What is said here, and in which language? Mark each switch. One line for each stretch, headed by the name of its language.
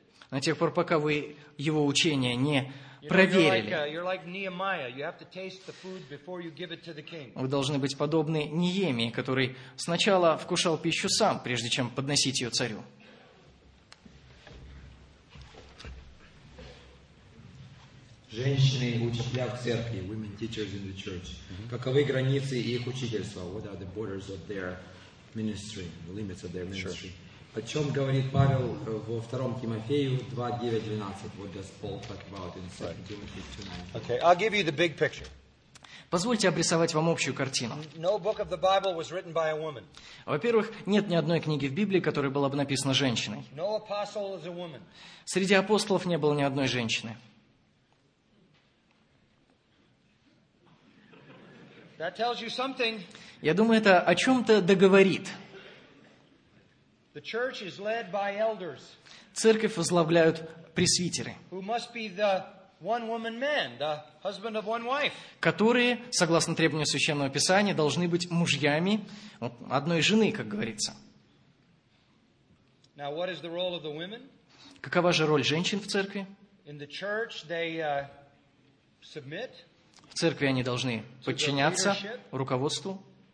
Russian: на тех пор, пока вы его учение не проверили. Вы должны быть подобны Неемии, который сначала вкушал пищу сам, прежде чем подносить ее царю. Женщины учителя в церкви,
English: women teachers in the church.
Russian: Каковы границы их учительства?
English: What are the borders of their ministry? The limits of their ministry.
Russian: О чем говорит Павел во 2 Тимофею 2:9-12?
English: What does Paul talk about in 2 Timothy 2:9? Okay, I'll give you the big picture.
Russian: Позвольте обрисовать вам общую картину.
English: No book of the Bible was written by a woman.
Russian: Во-первых, нет ни одной книги в Библии, которая была бы написана женщиной.
English: No apostle is a woman.
Russian: Среди апостолов не было ни одной женщины.
English: That tells you something.
Russian: Я думаю, это о чем-то договорит.
English: The church is led by elders.
Russian: Церковь возглавляют пресвитеры.
English: Who must be the one woman man, the husband of one wife.
Russian: Которые, согласно требованию Священного Писания, должны быть мужьями одной жены, как говорится.
English: Now, what is the role of the women?
Russian: Какова же роль женщин в церкви?
English: In the church, they submit.
Russian: В церкви они должны подчиняться руководству.